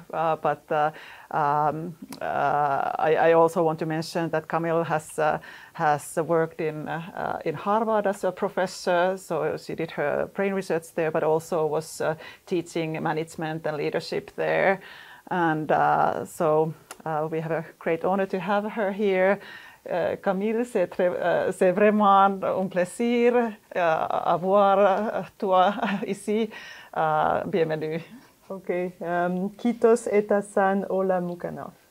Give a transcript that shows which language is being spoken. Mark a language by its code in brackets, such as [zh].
[en] I also want to mention that Camille has worked in Harvard as a professor, so she did her brain research there, but also was teaching management and leadership there, and so we have a great honor to have her here. [fr] Camille, c'est vraiment un plaisir d'avoir toi ici. Bienvenue. Ok. [fi] Kiitos etasan olla mukana.